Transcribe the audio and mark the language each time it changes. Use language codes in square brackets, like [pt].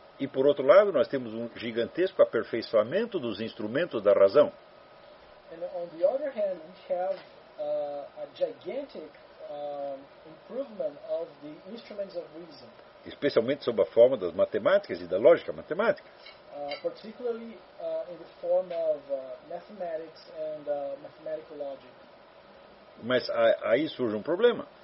[pt] E por outro lado, nós temos um gigantesco aperfeiçoamento dos instrumentos da razão. [en] And on the other hand, we have a gigantic improvement of the instruments of reason. [pt] Especialmente sob a forma das matemáticas e da lógica matemática. [en] Particularly in the form of mathematics and mathematical logic. [pt] Mas aí surge um problema.